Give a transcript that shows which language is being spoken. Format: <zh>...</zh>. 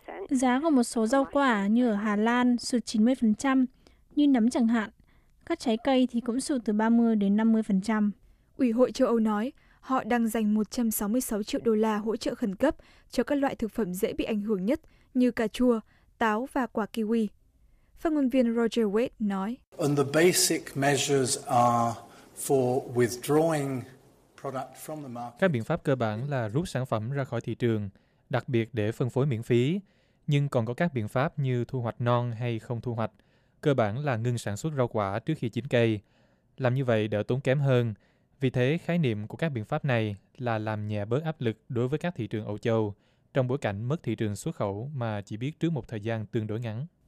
<vi>Giá của một số rau quả như ở Hà Lan sụt 90%, như nấm chẳng hạn. Các trái cây thì cũng sụt từ 30 đến 50%. Ủy hội châu Âu nói họ đang dành 166 triệu đô la hỗ trợ khẩn cấp cho các loại thực phẩm dễ bị ảnh hưởng nhất như cà chua, táo và quả kiwi. Phát ngôn viên Roger Wade nói.</vi> <en>And the basic measures are for withdrawing product from the market.</en> <vi>Các biện pháp cơ bản là rút sản phẩm ra khỏi thị trường, đặc biệt để phân phối miễn phí. Nhưng còn có các biện pháp như thu hoạch non hay không thu hoạch, cơ bản là ngưng sản xuất rau quả trước khi chín cây. Làm như vậy đỡ tốn kém hơn. Vì thế, khái niệm của các biện pháp này là làm nhẹ bớt áp lực đối với các thị trường Âu Châu trong bối cảnh mất thị trường xuất khẩu mà chỉ biết trước một thời gian tương đối ngắn.</vi>